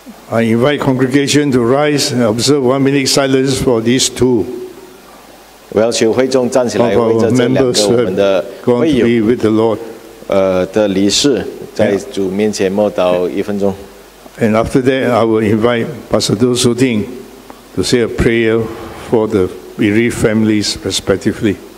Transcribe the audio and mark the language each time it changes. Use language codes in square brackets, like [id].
[en] I invite congregation to rise and observe 1 minute silence for these two. [zh] 我要求会众站起来为这两个我们的会友 [en] going to be with the Lord. [zh] 的离世，在主面前默祷一分钟。 [en] And after that, I will invite Pastor Do Su Ting to say a prayer for the bereaved families respectively.